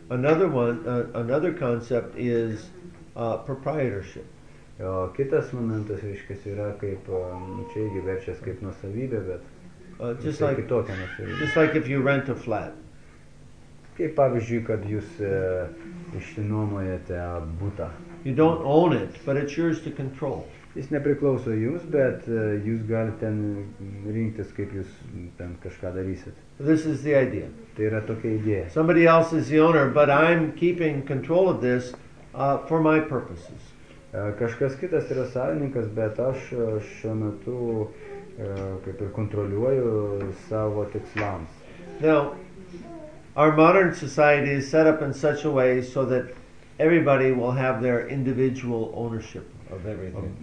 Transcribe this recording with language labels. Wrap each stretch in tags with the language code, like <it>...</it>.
<en>Another concept is proprietorship.</en> <lt>O kitas momentas, reiškias, yra kaip, čia irgi verčias kaip nuosavybė, bet</lt> <en>Just like</en> <lt>kitokia nuosavybė.</lt> <en>Just like if you rent a flat.</en> <lt>Kaip pavyzdžiui, kad jūs išsinuomojate butą.</lt> <en>You don't own it, but it's yours to control.</en> <lt>Jis nepriklauso jums, bet jūs galite ten rinktis, kaip jūs ten kažką darysit.</lt> <en>This is the idea.</en> <lt>Tai yra tokia idėja.</lt> <en>Somebody else is the owner, but I'm keeping control of this for my purposes.</en> <lt>Kažkas kitas yra savininkas, bet aš šiuo metu kaip ir kontroliuoju savo tikslams.</lt> <en>Now, our modern society is set up in such a way so that everybody will have their individual ownership of everything.</en>